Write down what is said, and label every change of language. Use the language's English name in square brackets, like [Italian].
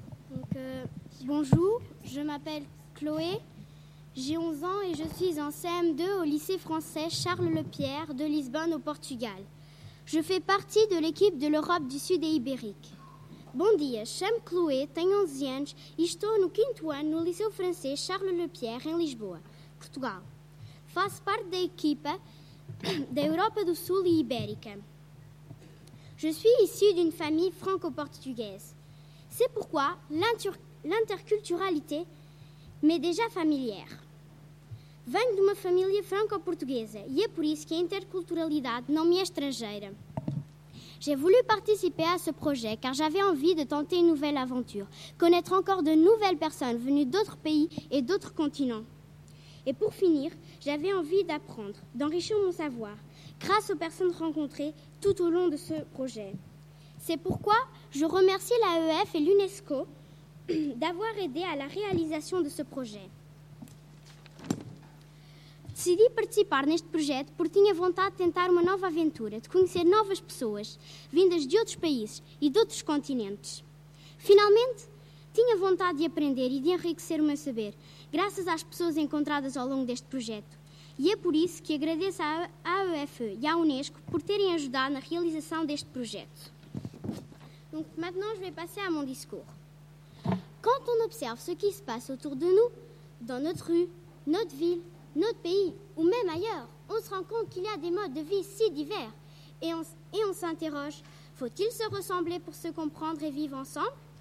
[French] Donc, bonjour, je m'appelle Chloé. J'ai 11 ans et je suis en CM2 au lycée français Charles Lepierre de Lisbonne au Portugal. Je fais partie de l'équipe de l'Europe du Sud et Ibérique. [Portuguese] Bom dia, chamo Chloé, tenho 11 anos e estou no 5º ano no Liceu Francês Charles Lepierre em Lisboa, Portugal. Faço parte da equipa da Europa do Sul e Ibérica. [French] Je suis issu d'une famille franco-portugaise. C'est pourquoi l'interculturalité mais déjà familière. [Portuguese] Venho de uma família franco-portuguesa e é por isso que a interculturalidade não me é estrangeira. [French] J'ai voulu participer à ce projet car j'avais envie de tenter une nouvelle aventure, connaître encore de nouvelles personnes venues d'autres pays et d'autres continents. Et pour finir, j'avais envie d'apprendre, d'enrichir mon savoir grâce aux personnes rencontrées tout au long de ce projet. C'est pourquoi je remercie l'AEF et l'UNESCO d'avoir aidé à la réalisation de ce projet. [Portuguese] Decidi participar neste projeto porque tinha vontade de tentar uma nova aventura, de conhecer novas pessoas, vindas de outros países e de outros continentes. Finalmente, tinha vontade de aprender e de enriquecer o meu saber, graças às pessoas encontradas ao longo deste projeto. E é por isso que agradeço à AEFE e à Unesco por terem ajudado na realização deste projeto. Então, [French] maintenant, je vais passer à mon discours. Quand on observe ce qui se passe autour de nous, dans notre rue, notre ville, notre pays ou même ailleurs, on se rend compte qu'il y a des modes de vie si divers. Et on s'interroge, faut-il se ressembler pour se comprendre et vivre ensemble?